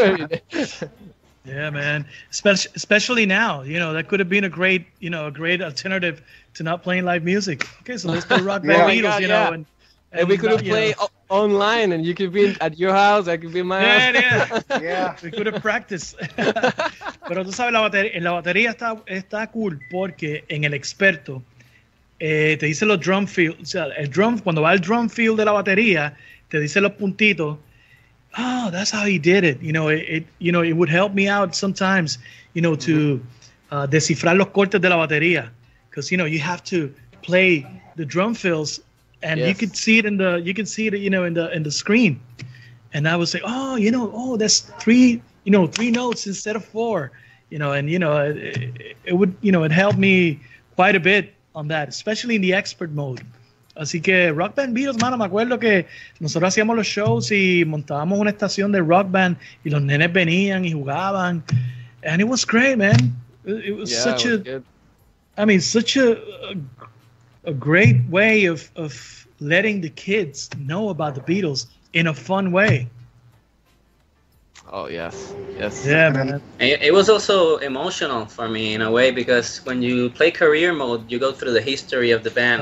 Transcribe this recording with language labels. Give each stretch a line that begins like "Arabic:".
English: Yeah. Yeah, man. Especially now, you know, that could have been a great, you know, a great alternative to not playing live music. Okay, so let's play Rock Band Beatles, you know. And we could have played online, and you could be at your house, I could be in my house. Yeah. We could have practiced.
Spanish: Pero tú sabes, la batería está cool, porque en el experto, te dice los drum fills, o sea, el drum, cuando va el drum fill de la batería, te dice los puntitos.
English: Oh, that's how he did it. You know, it would help me out sometimes, you know, to
Spanish: descifrar los cortes de la batería.
English: Because, you know, you have to play the drum fills and you can see it in the, you know, in the screen. And I would say, oh, you know, oh, that's three notes instead of four, you know, and, you know, it would, you know, it helped me quite a bit. On that, especially in the expert mode.
Spanish: Así que Rock Band Beatles, mano, me acuerdo que nosotros hacíamos los shows y montábamos una estación de Rock Band y los nenes venían y jugaban.
English: And it was great, man. It was such a great way of letting the kids know about the Beatles in a fun way. Oh, yes. Yeah, man. It was also emotional for me in a way, because when you play career mode, you go through the history of the band.